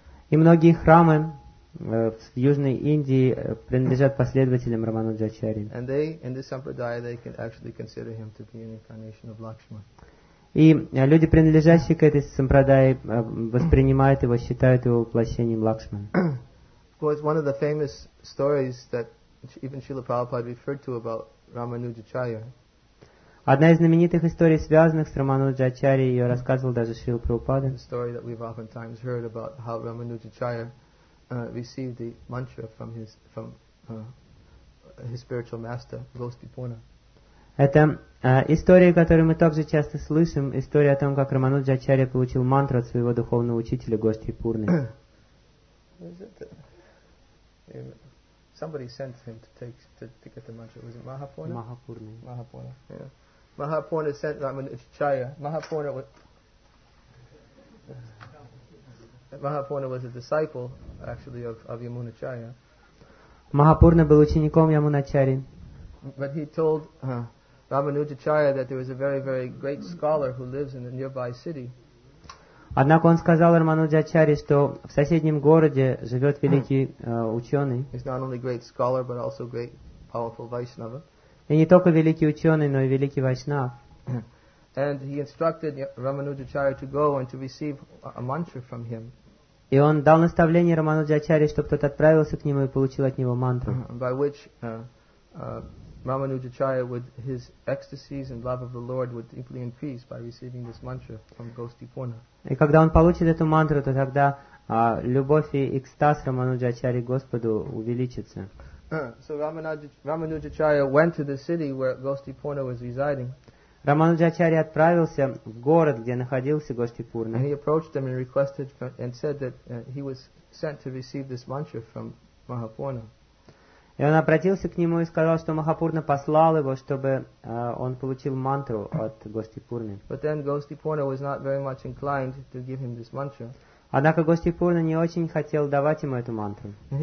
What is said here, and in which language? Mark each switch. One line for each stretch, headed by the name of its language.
Russian: И многие храмы в Южной Индии принадлежат последователям Рамануджачарьи.
English: And they, in this Sampradaya, they can actually consider him to be an incarnation of Lakshman.
Russian: И люди, принадлежащие к этой Сампрадае, воспринимают его, считают его воплощением Лакшмана.
English: Of course, one of the famous stories that even Srila Prabhupada referred to about Ramanujacharya.
Russian: Одна из знаменитых историй, связанных с Рамануджачарьей, ее рассказывал даже Шрила Прабхупада.
English: The story that we've oftentimes heard about how Ramanujacharya received the mantra from his spiritual master, Gosdipuna.
Russian: Это история, которую мы также часто слышим, история о том, как Рамануджачарья получил мантру от своего духовного учителя Гостипурны.
English: Somebody sent him to get the mantra. Was it Mahapurna? Mahapurna. Mahapurna. Yeah. Mahapurna sent Ramanujacharya. Mahapurna was a disciple, actually, of Yamunacharya.
Russian: Mahapurna был учеником Ямуначарьи.
English: But he told Ramanujacharya that there was a very, very great scholar who lives in a nearby city.
Russian: Однако он сказал Рамануджачарье, что в соседнем городе живет великий ученый.
English: He's not only great scholar, but also great, powerful Vaishnava.
Russian: И не только великий ученый, но и великий Вайшнав.
English: And he instructed Ramanujacharya to go and to receive a mantra from him.
Russian: И он дал наставление Рамануджачарье, чтобы тот отправился к нему и получил от него мантру.
English: By which Ramanujacharya, with his ecstasies and love of the Lord, would deeply increase by receiving this mantra from Gosdipurna.
Russian: И когда он получит эту мантру, то тогда любовь и экстаз Рамануджачарьи Господу увеличится.
English: So Ramanujacharya went to the city where Gosdipurna was residing.
Russian: Рамануджачарья отправился в город, где находился Гостипурна.
English: And he approached them and requested and said that he was sent to receive this mantra from Mahapurna.
Russian: И он обратился к нему и сказал, что Махапурна послал его, чтобы он получил мантру от Гостипурны.
English: But then Gosdipurna was not very much inclined to give him this mantra.
Russian: Однако Гости Пурна не очень хотел давать ему эту мантру.